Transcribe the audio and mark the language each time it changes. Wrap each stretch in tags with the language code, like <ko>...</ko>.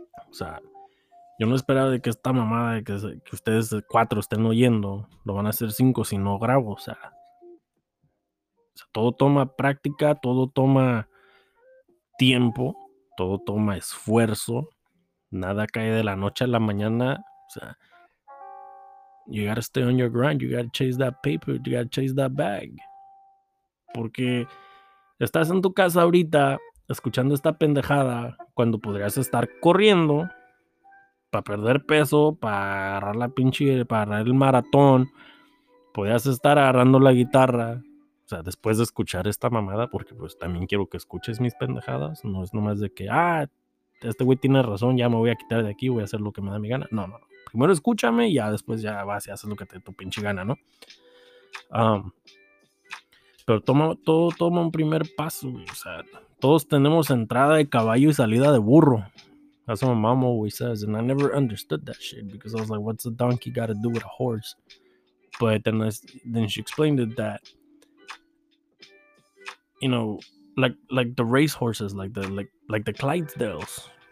<es>O sea, yo no esperaba de que esta mamada, que ustedes cuatro estén oyendo, lo van a hacer cinco si no grabo. O sea, todo toma práctica, todo toma tiempo, todo toma esfuerzo. Nada cae de la noche a la mañana. O sea,</es> <en>you gotta stay on your grind, you gotta chase that paper, you gotta chase that bag.</en> <es>Porque estás en tu casa ahorita escuchando esta pendejada cuando podrías estar corriendo. Para perder peso, para agarrar el maratón. Podrías estar agarrando la guitarra. O sea, después de escuchar esta mamada, porque pues también quiero que escuches mis pendejadas. No es nomás de que, este güey tiene razón, ya me voy a quitar de aquí, voy a hacer lo que me da mi gana. No, no. Primero escúchame y ya después ya vas y haces lo que te dé tu pinche gana, ¿no? Pero toma un primer paso, güey. O sea, todos tenemos entrada de caballo y salida de burro.</es> <en>That's what my mom always says, and I never understood that shit because I was like, what's a donkey got to do with a horse? But then she explained it that, you know, like the racehorses, like the Clydesdales.</en>